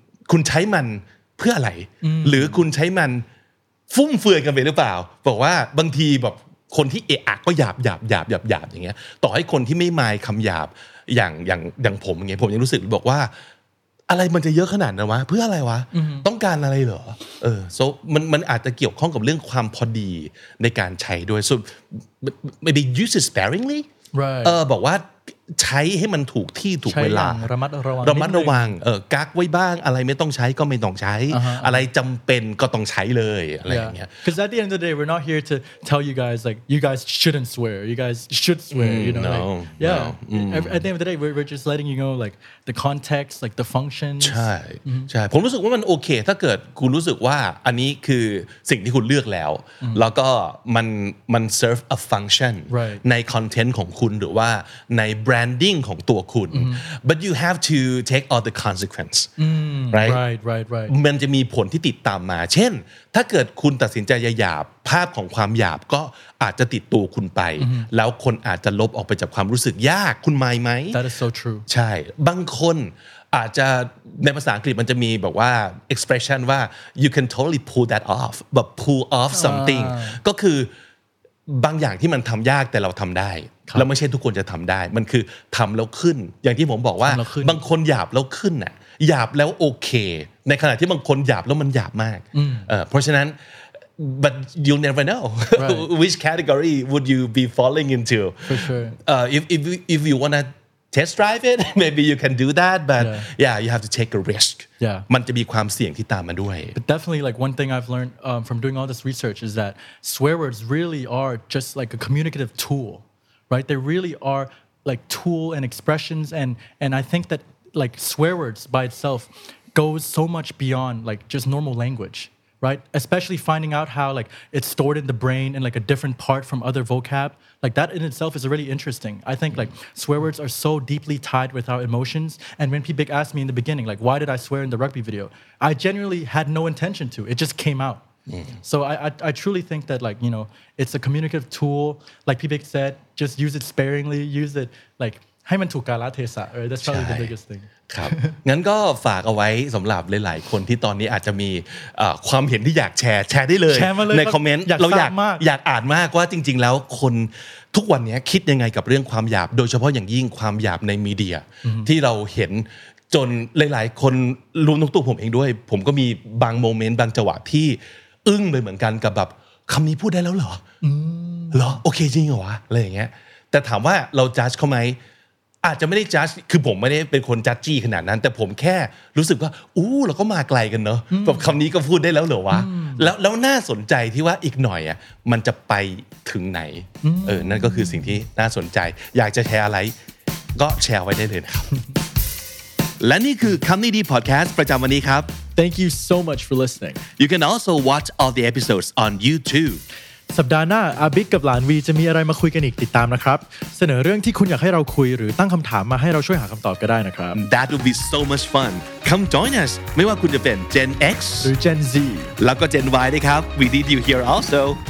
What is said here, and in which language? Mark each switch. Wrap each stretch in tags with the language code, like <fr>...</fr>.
<th>คุณใช้มันเพื่ออะไรหรือคุณใช้มันฟุ่มเฟือยกันไปหรือเปล่าบอกว่าบางทีแบบคนที่เอะอะก็หยาบอย่างเงี้ยต่อให้คนที่ไม่มายคำหยาบอย่างผมเงี้ยผมยังรู้สึกบอกว่าอะไรมันจะเยอะขนาดนั้นวะเพื่ออะไรวะต้องการอะไรเหรอso มันอาจจะเกี่ยวข้องกับเรื่องความพอดีในการใช้ด้วย</th> <en>so maybe use it sparingly right</en> <th>บอกว่าใช้ให้มันถูกที่ถูกเวลา ระมัดระวัง ระมัดระวังกักไว้บ้างอะไรไม่ต้องใช้ก็ไม่ต้องใช้</th> <en>uh-huh. อ</en> <th>ะไรจำเป็นก็ต้องใช้เลย</th> <en>yeah. อ</en> <th>ะไรอย่างเงี้ย</th> <en>because at the end of the day we're not here to tell you guys like you guys shouldn't swear you guys should swear you know no, like, yeah no. at the end of the day we're just letting you know like the context like the functions</en> <th>ใช่ใช่ผมรู้สึกว่ามันโอเคถ้าเกิดคุณรู้สึกว่าอันนี้คือสิ่งที่คุณเลือกแล้ว mm-hmm. แล้วก็มัน</th> <en>serve a function right.</en> <th>ในคอนเทนต์ของคุณหรือว่าในแบร</th> <en>branding</en> <th>ของตัวคุณ</th> <en>but you have to take all the consequence right</en> <th>มันจะมีผลที่ติดตามมาเช่นถ้าเกิดคุณตัดสินใจหยาบภาพของความหยาบก็อาจจะติดตัวคุณไปแล้วคนอาจจะลบออกไปจากความรู้สึกยากคุณไม่ไหม</th> <en>that is so true</en> <th>ใช่บางคนอาจจะในภาษาอังกฤษมันจะมีแบบว่า expression ว่า</th> <en>you can totally pull that off</en> <th>but pull off something ก็คือบางอย่างที่มันทำยากแต่เราทำได้แล้วไม่ใช่ทุกคนจะทำได้มันคือทำแล้วขึ้นอย่างที่ผมบอกว่าบางคนหยาบแล้วขึ้นน่ะหยาบแล้วโอเคในขณะที่บางคนหยาบแล้วมันหยาบมากเพราะฉะนั้น</th> <en>but you never know which category would you be falling into for sure if you wanna test drive it maybe you can do that but yeah you have to take a risk yeah</en> <th>มันจะมีความเสี่ยงที่ตามมาด้วย</th> <en>but definitely like one thing I've learned from doing all this research is that swear words really are just like a communicative tool right they really are like tool and expressions and I think that like swear words by itself goes so much beyond like just normal language right especially finding out how like it's stored in the brain in like a different part from other vocab like that in itself is really interesting I think like swear words are so deeply tied with our emotions and when people asked me in the beginning like why did I swear in the rugby video I genuinely had no intention to it just came out so I truly think that like you know it's a communicative tool like people said just use it sparingly use it like</en> <th>ให้มันถูกกาลเทศะ</th> <en>right that's probably the biggest thing</en> <th>ครับงั้นก็ฝากเอาไว้สำหรับหลายๆคนที่ตอนนี้อาจจะมีความเห็นที่อยากแชร์ได้ เลย ในคอมเมนต์เรา อยากอ่านมากว่าจริงๆแล้วคนทุกวันนี้คิดยังไงกับเรื่องความหยาบโดยเฉพาะอย่างยิ่งความหยาบในมีเดียที่เราเห็นจนหลายๆคนรวมทั้งตัวผมเองด้วยผมก็มีบางโมเมนต์บางจังหวะที่อึ้งไปเหมือนกันกับแบบคำนี้พูดได้แล้วเหรอ โอเคจริงเหรออะไรอย่างเงี้ยแต่ถามว่าเราจัดเขาไหมอาจจะไม่ได้จัดคือผมไม่ได้เป็นคนจัดจี้ขนาดนั้นแต่ผมแค่รู้สึกว่าอู้เราก็มาไกลกันเนาะแบบคำนี้ก็พูดได้แล้วเหรอวะแล้วน่าสนใจที่ว่าอีกหน่อยอ่ะมันจะไปถึงไหนนั่นก็คือสิ่งที่น่าสนใจอยากจะแชร์อะไรก็แชร์ไว้ได้เลยนะครับและนี่คือคำนี้ดีพอดแคสต์ประจำวันนี้ครับ</th> <en>Thank you so much for listening You can also watch all the episodes on YouTube</en> <th>สัปดาห์หน้าอาบิ๊กกับหลานวีจะมีอะไรมาคุยกันอีกติดตามนะครับเสนอเรื่องที่คุณอยากให้เราคุยหรือตั้งคำถามมาให้เราช่วยหาคำตอบก็ได้นะครับ</th> <en>That would be so much fun Come join us</en> <th>ไม่ว่าคุณจะเป็น</th> <en>Gen X</en> <th>หรือ Gen Z แล้วก็ Gen Y ด้วยครับ</th> <en>We need you here also</en>